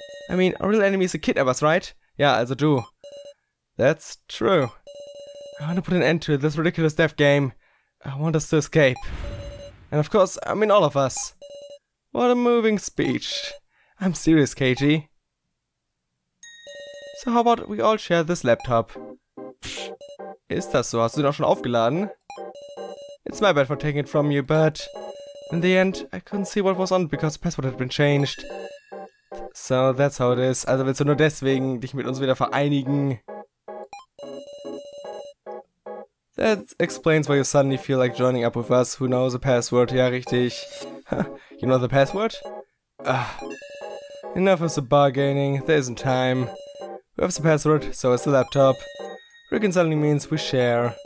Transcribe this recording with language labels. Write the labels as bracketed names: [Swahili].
[English] I mean, our real enemy is a kid of us, right? Yeah, [German] also du. [English] That's true. I want to put an end to this ridiculous death game. I want us to escape. And of course, I mean all of us. What a moving speech. I'm serious, KG. So how about we all share this laptop? [German] Ist das so? Hast du den auch schon aufgeladen? [English] It's my bad for taking it from you, but... In the end, I couldn't see what was on because the password had been changed. So, that's how it is. [German] Also willst du nur deswegen dich mit uns wieder vereinigen? [English] That explains why you suddenly feel like joining up with us. Who knows the password? [German] Ja, richtig. [English] You know the password? Enough of the bargaining. There isn't time. We have the password, so is the laptop. Reconciling means we share.